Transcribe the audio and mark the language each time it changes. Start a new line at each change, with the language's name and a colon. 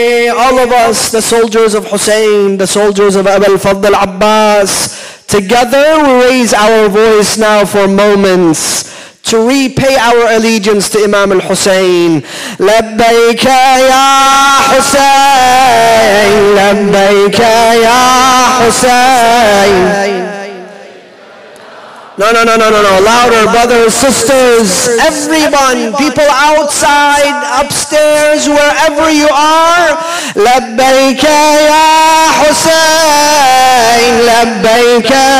English: All of us, the soldiers of Hussein, the soldiers of Abu al-Fadl Abbas, together we raise our voice now for moments to repay our allegiance to Imam al-Hussein.
Arabic: لبيك يا حسين لبيك يا حسين.
English: No. Louder, brothers, sisters, everyone, people outside, upstairs, wherever you are.
Arabic: لبيك يا حسين لبيك.